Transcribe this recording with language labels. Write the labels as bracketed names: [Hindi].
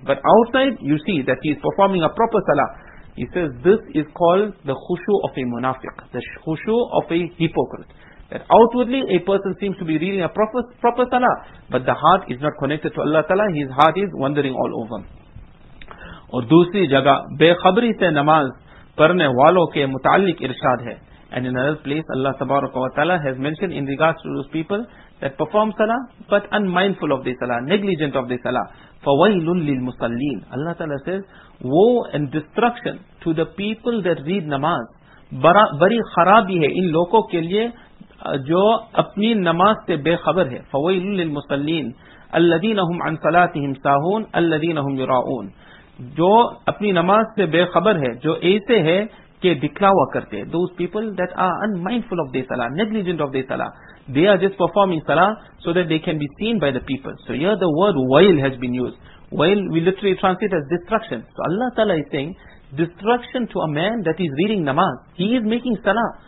[English] But outside, you see that he's performing a proper salah. He says, this is called the khushu of a munafiq, the khushu of a hypocrite. That outwardly, a person seems to be reading a proper salah, but the heart is not connected to Allah Ta'ala, his heart is wandering all over. [Urdu] اور دوسری جگہ بے خبری سے نماز پڑھنے والوں کے متعلق ارشاد ہے. [English] And in another place Allah تبارک و تعالی has mentioned in regards to those people that perform salah but unmindful of the salah, negligent of the salah. [Arabic] فَوَيْلٌ لِلْمُصَلِّينَ. [English] Allah تعالی says, woe and destruction to the people that read namaz. [Urdu] بری خرابی ہے ان لوگوں کے لیے جو اپنی نماز سے بے خبر ہے. [Arabic] فَوَيْلٌ لِلْمُصَلِّينَ الَّذِينَ هُمْ عَنْ صَلَاتِهِمْ سَاهُونَ الَّذِينَ هُمْ يُرَاؤُونَ. [Urdu] جو اپنی نماز سے بے خبر ہے, جو ایسے ہے کہ دکھلاوا کرتے. [English] Those people that are unmindful of their salah, negligent of their salah, they are just performing salah so that they can be seen by the people. So here the word wail has been used. Wail, we literally translate as destruction. So Allah Ta'ala is saying, destruction to a man that is reading namaz. He is making salah.